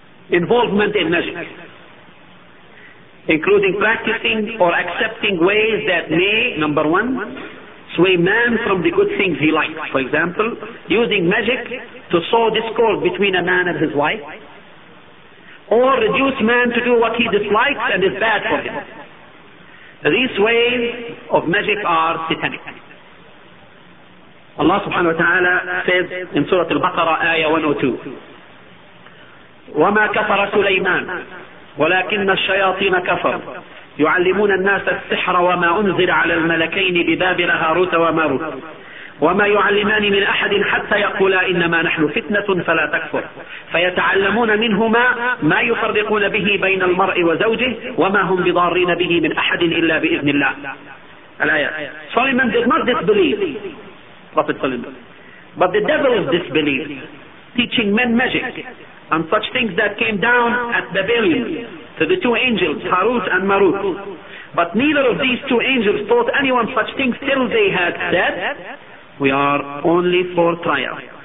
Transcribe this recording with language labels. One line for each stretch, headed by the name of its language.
English: Involvement in magic. including practicing or accepting ways that may, number one, sway man from the good things he likes. For example, using magic to sow discord between a man and his wife, or reduce man to do what he dislikes and is bad for him. These ways of magic are satanic. Allah subhanahu wa ta'ala says in Surah Al-Baqarah, ayah 102,
Arabic: وَمَا كَفَرَ سُلَيْمَانَ وَلَكِنَّ الشَّيَاطِينَ كَفَرُ يُعَلِّمُونَ النَّاسَ السِّحْرَ وَمَا أُنْزِلَ عَلَى الْمَلَكَيْنِ بِبَابِلَ هَارُوتَ وَمَارُوتَ وَمَا يُعَلِّمَانِ مِنْ أَحَدٍ حَتَّى يَقُولَا إِنَّمَا نَحْنُ فِتْنَةٌ فَلَا تَكْفُرْ فَيَتَعَلَّمُونَ مِنْهُمَا مَا يُفَرِّقُونَ بِهِ بَيْنَ الْمَرْءِ وَزَوْجِهِ وَمَا هُمْ بِضَارِّينَ بِهِ مِنْ أَحَدٍ إِلَّا بِإِذْنِ اللَّهِ. الآيات.
English: Solomon did not disbelieve Prophet Solomon, but the devil of disbelief, teaching men magic and such things that came down at Babylon to the two angels, Harut and Marut. But neither of these two angels taught anyone such things till they had said, we are only for trial.